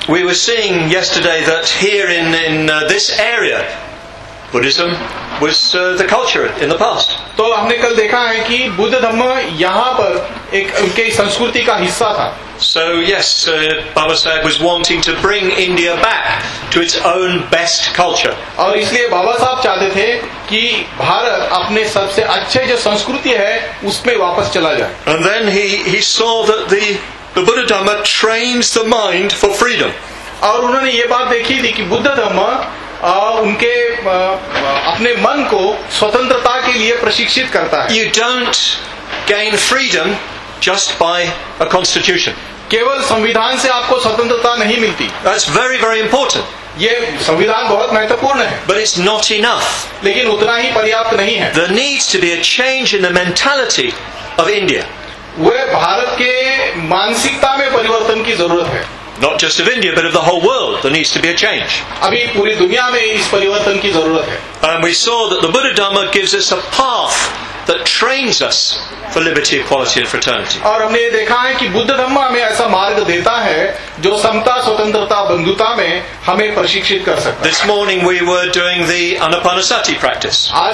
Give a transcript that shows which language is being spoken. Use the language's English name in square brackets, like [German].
[English] We were seeing yesterday that here in this area, Buddhism was the culture in the past. [Hindi] तो हमने कल देखा है कि बुद्ध धम्म यहाँ पर एक उनके संस्कृति का हिस्सा था। [English] So yes, Baba Sahib was wanting to bring India back to its own best culture. [Hindi] और इसलिए बाबा साहब चाहते थे कि भारत अपने सबसे अच्छे जो संस्कृति है उसमें वापस चला जाए। [English] And then he saw that the Buddha Dhamma trains the mind for freedom. [Hindi] और उन्होंने ये बात देखी थी कि बुद्ध धम्म उनके अपने मन को स्वतंत्रता के लिए प्रशिक्षित करता है। [English] You don't gain freedom just by a constitution. [Hindi] केवल संविधान से आपको स्वतंत्रता नहीं मिलती। [English] That's very very important. [Hindi] ये संविधान बहुत महत्वपूर्ण है। [English] But it's not enough. [Hindi] लेकिन उतना ही पर्याप्त नहीं है। [English] There needs to be a change in the mentality of India. [Hindi] वह भारत के मानसिकता में परिवर्तन की जरूरत है। [English] not just of India but of the whole world. There needs to be a change. And we saw that the Buddha Dhamma gives us a path that trains us for liberty, equality and fraternity. This morning we were doing the Anapanasati practice.